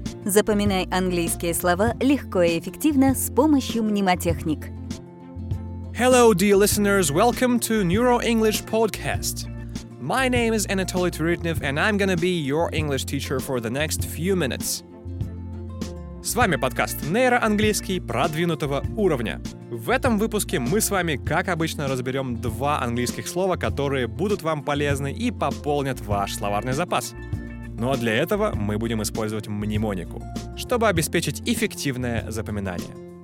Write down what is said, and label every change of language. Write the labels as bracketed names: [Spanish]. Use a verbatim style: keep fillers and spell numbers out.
[Russian] Запоминай английские слова легко и эффективно с помощью мнемотехник. [English] Hello, dear listeners. Welcome to Neuro English Podcast. My name is Anatoly Turutnev, and I'm gonna be your English teacher for the next few minutes. [Russian] С вами подкаст «Нейроанглийский продвинутого уровня». В этом выпуске мы с вами, как обычно, разберем два английских слова, которые будут вам полезны и пополнят ваш словарный запас. Но для этого мы будем использовать мнемонику, чтобы обеспечить эффективное запоминание.